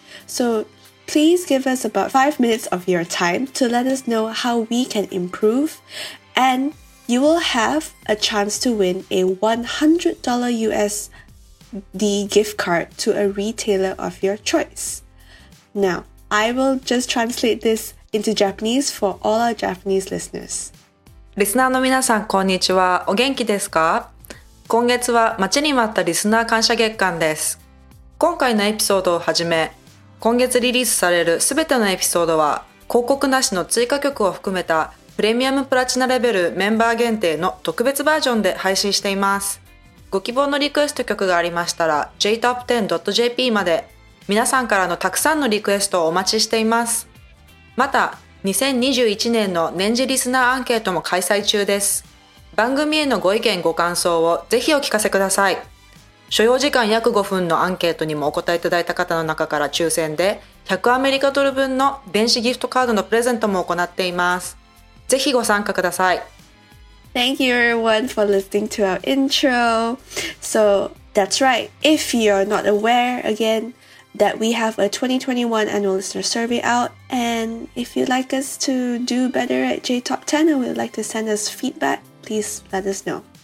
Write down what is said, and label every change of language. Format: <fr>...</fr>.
<en>So please give us about 5 minutes of your time to let us know how we can improve, and you will have a chance to win a $100 USD gift card to a retailer of your choice. Now, I will just translate this into Japanese for all our Japanese listeners.</en> <ja>リスナーの皆さん、こんにちは。お元気ですか？今月は待ちに待ったリスナー感謝月間です。今回のエピソードをはじめ、今月リリースされるすべてのエピソードは、広告なしの追加曲を含めたプレミアムプラチナレベルメンバー限定の特別バージョンで配信しています。ご希望のリクエスト曲がありましたら、jtop10.jp まで、皆さんからのたくさんのリクエストをお待ちしています。また、2021年の年次リスナーアンケートも開催中です。番組へのご意見ご感想をぜひお聞かせください。所要時間約5分のアンケートにもお答えいただいた方の中から抽選で100アメリカドル分の電子ギフトカードのプレゼントも行っています。ぜひご参加ください。</ja> <en>Thank you everyone for listening to our intro. So that's right. If you're not aware again that we have a 2021 annual listener survey out, and if you'd like us to do better at JTOP 10 and would like to send us feedback, please let us know.</en>